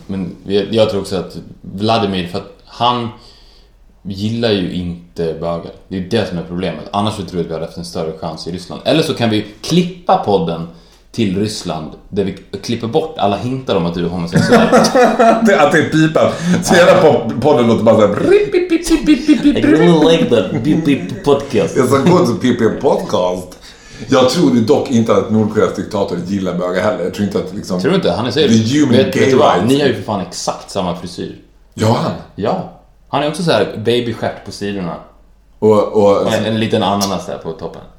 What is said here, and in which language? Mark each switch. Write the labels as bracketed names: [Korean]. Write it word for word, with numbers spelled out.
[Swedish] Men jag tror också att Vladimir, för att han gillar ju inte bögar. Det är det som är problemet. Annars tror jag att vi hade haft en större chans i Ryssland. Eller så kan vi klippa podden till Ryssland, där vi klipper bort alla hintar om att du är homosexuell. Att det är pipan. Så hela podden låter bara såhär. [English] I really like that pip podcast. [Swedish] Jag ska gå till pip podcast. Jag tror dock inte att Nordkoreas diktator gillar bögar heller. Jag tror inte att liksom... Tror du inte? Han är seriös. Vet, vet du vad? Ni har ju för fan exakt samma frisyr. Ja, han? Ja. Han är också så här babyskärt på sidorna. Och, och... En, en liten ananas där på toppen.